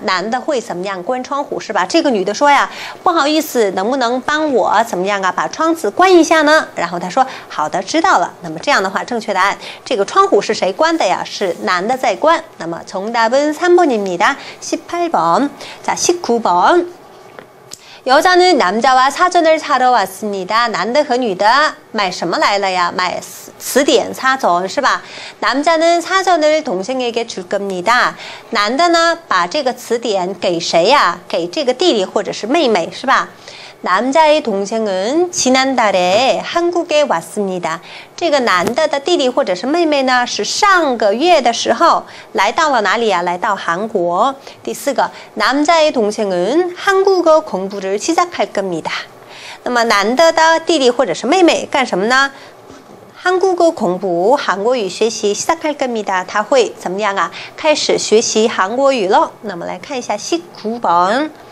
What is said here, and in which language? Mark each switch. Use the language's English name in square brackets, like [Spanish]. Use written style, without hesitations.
[Chinese] 男的会怎么样关窗户，是吧？这个女的说呀，不好意思，能不能帮我怎么样啊，把窗子关一下呢？然后她说，好的，知道了。那么这样的话，正确答案，这个窗户是谁关的呀？是男的在关。 [Korean] 那么정답은3번입니다。18번。자19번， 여자는 남자와 사전을 사러 왔습니다. [Chinese] 男的和女的 买什么来了呀? 买词典,사전,是吧? [Korean] 남자는 사전을 동생에게 줄 겁니다. [Chinese] 男的呢,把这个词典给谁呀?给这个弟弟或者是妹妹,是吧? [Korean] 남자의 동생은 지난달에 한국에 왔습니다. [Chinese] 这个男的的弟弟或者是妹妹呢,是上个月的时候来到了哪里呀?来到韩国. 第四个, [Korean] 남자의 동생은 한국어 공부를 시작할 겁니다. [Chinese] 那么男的的弟弟或者是妹妹干什么呢? [Korean] 한국어 공부, 한국어 学习 시작할 겁니다. [Chinese] 他会怎么样啊? 开始学习韩国语了。那么来看一下19번。